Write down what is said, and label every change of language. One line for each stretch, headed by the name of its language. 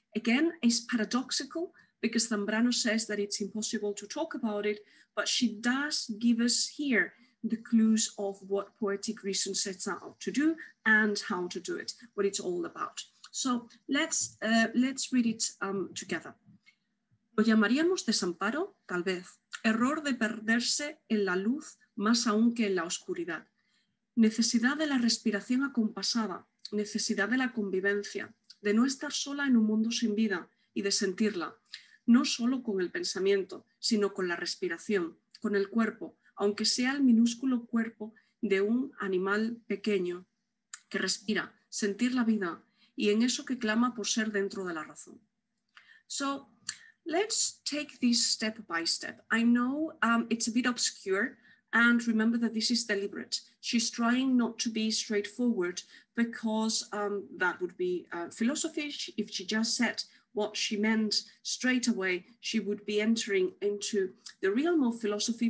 English: Again, it's paradoxical, because Zambrano says that it's impossible to talk about it, but she does give us here the clues of what poetic reason sets out to do and how to do it, what it's all about. So let's read it together.
Spanish: Lo llamaríamos desamparo, tal vez, error de perderse en la luz más aún que en la oscuridad, necesidad de la respiración acompasada, necesidad de la convivencia, de no estar sola en un mundo sin vida y de sentirla, no solo con el pensamiento, sino con la respiración, con el cuerpo, aunque sea el minúsculo cuerpo de un animal pequeño que respira, sentir la vida y en eso que clama por ser dentro de la razón.
English: So, let's take this step by step. I know it's a bit obscure, and remember that this is deliberate. She's trying not to be straightforward, because that would be philosophy. If she just said what she meant straight away, she would be entering into the realm of philosophy.